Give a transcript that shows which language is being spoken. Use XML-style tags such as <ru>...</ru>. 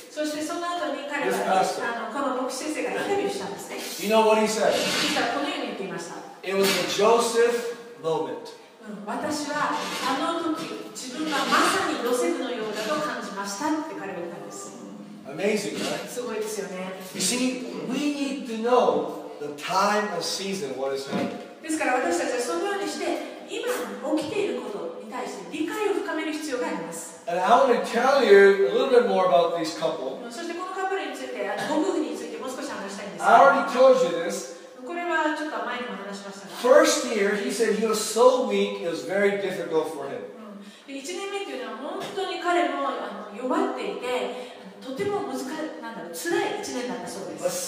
<ja>そしてその後に彼は、ね、この牧師先生がインタビューしたんですね。</ja> <en>You know what he said?</en> <ja>実はこのように言っていました。</ja> <en>It was a Joseph moment.</en> <ja>私はあの時自分がまさにヨセフのようだと感じましたって彼は言ったんです。</ja> <en>Amazing, right?</en> <ja>すごいですよね。</ja> <en>You see, we need to know the time of season, what is happening.</en> <ja>ですから私たちはそのようにして今起きていること理解を深める必要があります。</ja> <en>And I want to tell you a little bit more about these couple.</en> <ja>そしてこのカップルについて、ご夫婦についてもう少し話したいんです。</ja> <en>I already told you this.</en> <ja>これはちょっと前にも話しましたが。</ja> <en>First year, he said he was so weak, it was very difficult for him.</en> <ja>1年目というのは本当に彼も弱っていて、とても難しい、なんだろう、つらい1年だったそうです。</ja>